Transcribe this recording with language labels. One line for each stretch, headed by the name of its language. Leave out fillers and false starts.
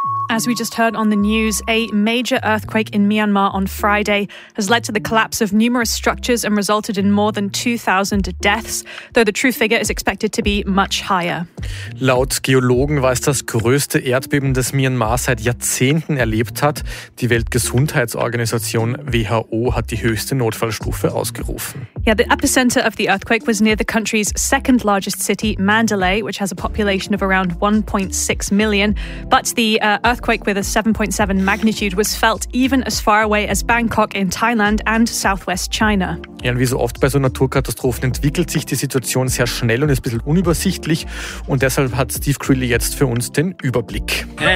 English: As we just heard on the news, a major earthquake in Myanmar on Friday has led to the collapse of numerous structures and resulted in more than 2,000 deaths, though the true figure is expected to be much higher.
German: Laut Geologen war es das größte Erdbeben, das Myanmar seit Jahrzehnten erlebt hat. Die Weltgesundheitsorganisation WHO hat die höchste Notfallstufe ausgerufen.
English: Yeah, the epicenter of the earthquake was near the country's second largest city, Mandalay, which has a population of around 1.6 million. But the earthquake earthquake with a 7.7 magnitude was felt even as far away as Bangkok in Thailand and southwest China.
German: Ja, wie so oft bei so Naturkatastrophen entwickelt sich die Situation sehr schnell und ist ein bisschen unübersichtlich. Und deshalb hat Steve Crilly jetzt für uns den Überblick.